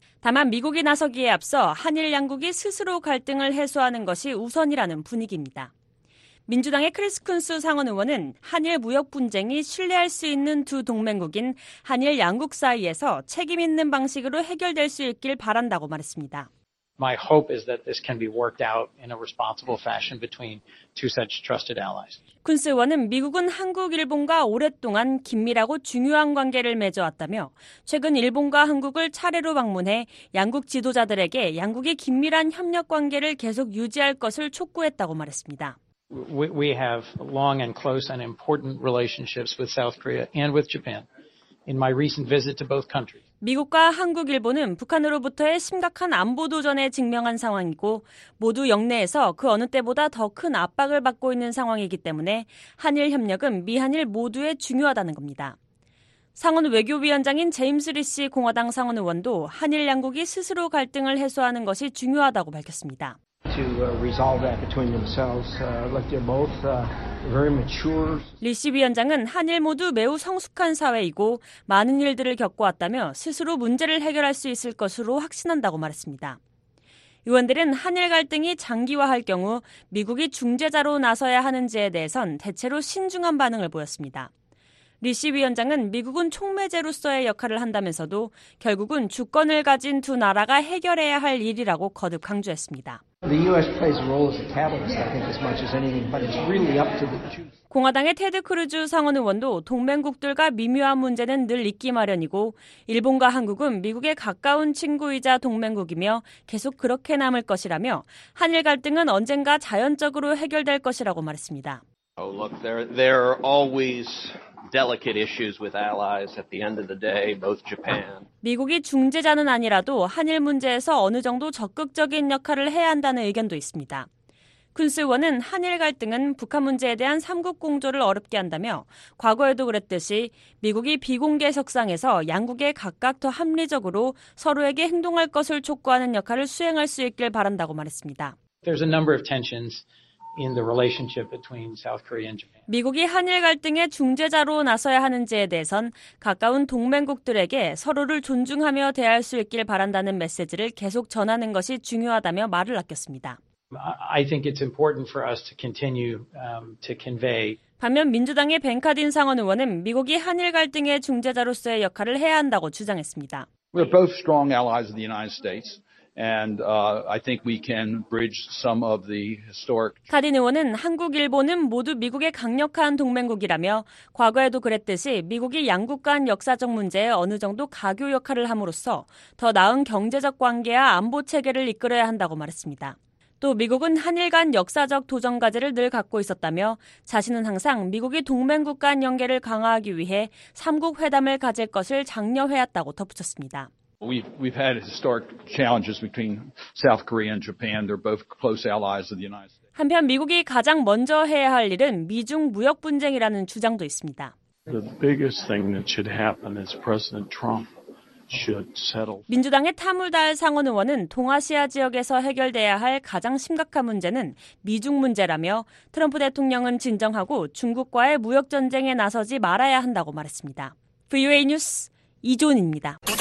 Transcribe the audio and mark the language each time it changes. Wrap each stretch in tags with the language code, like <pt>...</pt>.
<ko>다만 미국이 나서기에 앞서 한일 양국이 스스로 갈등을 해소하는 것이 우선이라는 분위기입니다. 민주당의 크리스 쿤스 상원 의원은 한일 무역 분쟁이 신뢰할 수 있는 두 동맹국인 한일 양국 사이에서 책임 있는 방식으로 해결될 수 있길 바란다고 말했습니다.</ko> <en>My hope is that this can be worked out in a responsible fashion between two such trusted allies.</en> <ko>쿤스 의원은 미국은 한국, 일본과 오랫동안 긴밀하고 중요한 관계를 맺어왔다며 최근 일본과 한국을 차례로 방문해 양국 지도자들에게 양국의 긴밀한 협력 관계를 계속 유지할 것을 촉구했다고 말했습니다.</ko> <en>We have long and close and important relationships with South Korea and with Japan. In my recent visit to both countries.</en> <ko>미국과 한국, 일본은 북한으로부터의 심각한 안보 도전에 직면한 상황이고 모두 역내에서 그 어느 때보다 더 큰 압박을 받고 있는 상황이기 때문에 한일 협력은 미한일 모두에 중요하다는 겁니다. 상원 외교위원장인 제임스 리시 공화당 상원 의원도 한일 양국이 스스로 갈등을 해소하는 것이 중요하다고 밝혔습니다.</ko> <en>To resolve that between themselves, like they're both very mature.</en> <ko>리시 위원장은 한일 모두 매우 성숙한 사회이고 많은 일들을 겪어왔다며 스스로 문제를 해결할 수 있을 것으로 확신한다고 말했습니다. 의원들은 한일 갈등이 장기화할 경우 미국이 중재자로 나서야 하는지에 대해선 대체로 신중한 반응을 보였습니다. 리시 위원장은 미국은 촉매제로서의 역할을 한다면서도 결국은 주권을 가진 두 나라가 해결해야 할 일이라고 거듭 강조했습니다. 공화당의 테드 크루즈 상원 의원도 동맹국들과 미묘한 문제는 늘 있기 마련이고 일본과 한국은 미국의 가까운 친구이자 동맹국이며 계속 그렇게 남을 것이라며 한일 갈등은 언젠가 자연적으로 해결될 것이라고 말했습니다.</ko> <en>Oh, look, there are always delicate issues with allies at the end of the day, both Japan.</en> <ko>미국이 중재자는 아니라도 한일 문제에서 어느 정도 적극적인 역할을 해야 한다는 의견도 있습니다. 쿤스 의원은 한일 갈등은 북한 문제에 대한 3국 공조를 어렵게 한다며 과거에도 그랬듯이 미국이 비공개 석상에서 양국에 각각 더 합리적으로 서로에게 행동할 것을 촉구하는 역할을 수행할 수 있길 바란다고 말했습니다.</ko> <en>There's a number of tensions. In the relationship between South Korea and Japan.</en> <ko>미국이 한일 갈등의 중재자로 나서야 하는지에 대해선 가까운 동맹국들에게 서로를 존중하며 대할 수 있길 바란다는 메시지를 계속 전하는 것이 중요하다며 말을 아꼈습니다.</ko> <en>I think it's important for us to continue to convey.</en> <ko>반면 민주당의 벤카딘 상원 의원은 미국이 한일 갈등의 중재자로서의 역할을 해야 한다고 주장했습니다.</ko> <en>We're both strong allies of the United States. And I think we can bridge some of the historic.</en> <ko>카딘 의원은 한국, 일본은 모두 미국의 강력한 동맹국이라며 과거에도 그랬듯이 미국이 양국 간 역사적 문제에 어느 정도 가교 역할을 함으로써 더 나은 경제적 관계와 안보 체계를 이끌어야 한다고 말했습니다. 또 미국은 한일 간 역사적 도전 과제를 늘 갖고 있었다며 자신은 항상 미국이 동맹국 간 연계를 강화하기 위해 3국 회담을 가질 것을 장려해왔다고 덧붙였습니다.</ko> <en>We've had historic challenges between South Korea and Japan. They're both close allies of the United States.</en> <ko>한편 미국이 가장 먼저 해야 할 일은 미중 무역 분쟁이라는 주장도 있습니다.</ko> <en>The biggest thing that should happen is President Trump should settle.</en> <ko>민주당의 타물달 상원 의원은 동아시아 지역에서 해결돼야 할 가장 심각한 문제는 미중 문제라며 트럼프 대통령은 진정하고 중국과의 무역 전쟁에 나서지 말아야 한다고 말했습니다. VOA 뉴스 이존입니다.</ko>